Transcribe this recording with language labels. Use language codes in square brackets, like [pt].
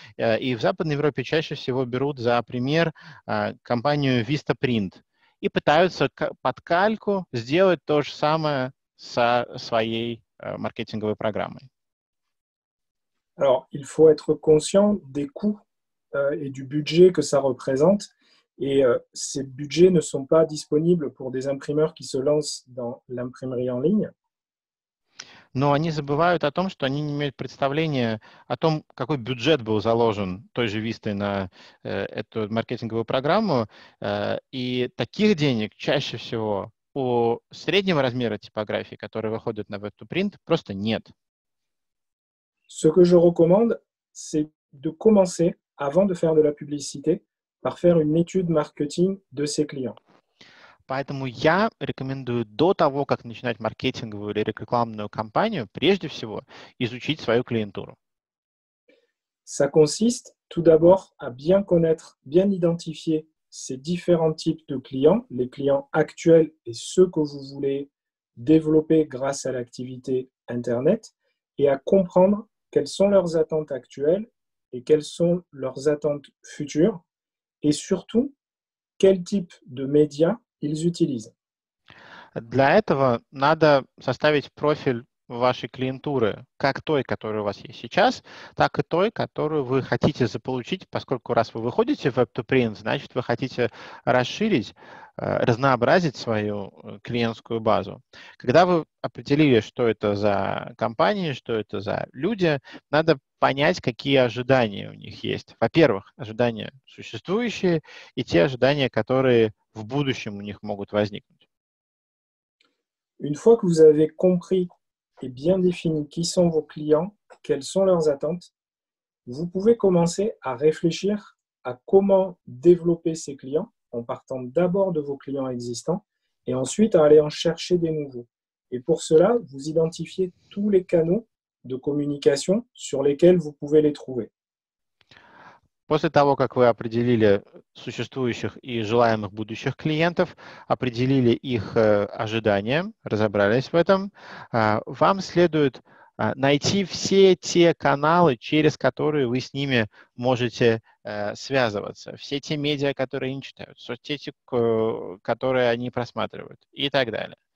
[ru] И в Западной Европе чаще всего берут за пример компанию Vistaprint и пытаются под кальку сделать то же самое со своей маркетинговой программой. [fr] Alors, il faut être conscient des coûts et du budget que ça représente. Et ces budgets ne sont pas disponibles pour des imprimeurs qui se lancent dans l'imprimerie en ligne. [ru] Но они забывают о том, что они не имеют представления о том, какой бюджет был заложен той же Vista на эту маркетинговую программу. И таких денег чаще всего у среднего размера типографии, которые выходят на Web2Print, просто нет. [fr] Ce que je recommande, c'est de commencer avant de faire de la publicité. Par faire une étude marketing de ses clients. [ru] Поэтому я рекомендую до того, как начинать маркетинговую или рекламную кампанию, прежде всего изучить свою клиентуру. [fr] Ça consiste tout d'abord à bien connaître, bien identifier ces différents types de clients, les clients actuels et ceux que vous voulez développer grâce à l'activité Internet, et à comprendre quelles sont leurs attentes actuelles et quelles sont leurs attentes futures. Et surtout, quel type de médias ils utilisent. [ru] Для этого надо составить профиль вашей клиентуры, как той, которая у вас есть сейчас, так и той, которую вы хотите заполучить, поскольку раз вы выходите в Web2Print, значит, вы хотите расширить, разнообразить свою клиентскую базу. Когда вы определили, что это за компании, что это за люди, надо понять, какие ожидания у них есть. Во-первых, ожидания существующие и те ожидания, которые в будущем у них могут возникнуть. [fr] Une fois que vous avez compris et bien défini qui sont vos clients, quelles sont leurs attentes, vous pouvez commencer à réfléchir à comment développer ces clients en partant d'abord de vos clients existants et ensuite à aller en chercher des nouveaux. Et pour cela, vous identifiez tous les canaux de communication sur lesquels vous pouvez les trouver. [ru] После того, как вы определили существующих и желаемых будущих клиентов, определили их ожидания, разобрались в этом, вам следует найти все те каналы, через которые вы с ними можете связываться, все те медиа, которые они читают, соцсети, которые они просматривают и так далее.